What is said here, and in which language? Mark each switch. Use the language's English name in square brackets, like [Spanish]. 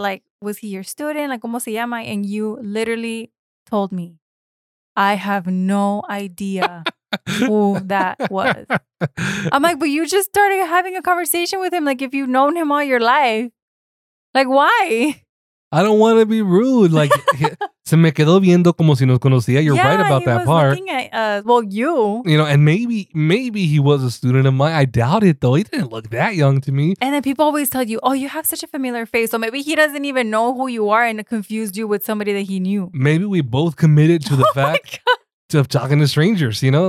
[English] Like, was he your student? Like, [Spanish] ¿cómo se llama? [English] And you literally told me, I have no idea who that was. I'm like, but you just started having a conversation with him. Like, if you've known him all your life, like, why? I don't want to be rude. [Spanish] Like, se me quedó viendo como si nos conocía. [English] You're right about that part. Yeah, he was looking at, well, you. You know, and maybe he was a student of mine. I doubt it, though. He didn't look that young to me. And then people always tell you, oh, you have such a familiar face. So maybe he doesn't even know who you are and confused you with somebody that he knew. Maybe we both committed to the fact of talking to strangers, you know?